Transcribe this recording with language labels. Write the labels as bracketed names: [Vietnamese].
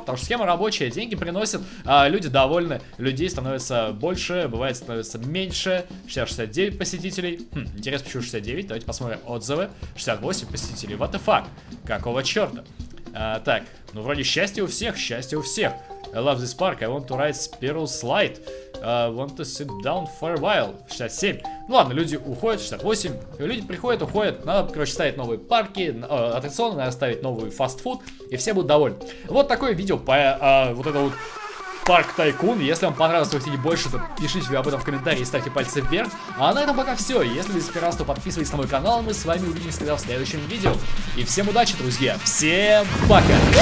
[Russian] Потому что схема рабочая, деньги приносят, люди довольны, людей становится больше, бывает становится меньше. 69 посетителей. Интересно, почему 69? Давайте посмотрим отзывы. 68 посетителей. [English] What the fuck? [Russian] Какого черта? Так, ну вроде счастье у всех. [English] I love this park, I want to ride Spiral Slide. Want to sit down for a while. [Russian] 67. Ну ладно, люди уходят, 68. Люди приходят, уходят. Надо, короче, ставить новые парки, аттракционы, надо ставить новый фастфуд, и все будут довольны. Вот такое видео по вот это вот Парк Тайкун. Если вам понравилось, вы хотите больше, то пишите об этом в комментарии, ставьте пальцы вверх. А на этом пока все. Если вы здесь первый раз, то подписывайтесь на мой канал. Мы с вами увидимся тогда в следующем видео. И всем удачи, друзья. Всем пока.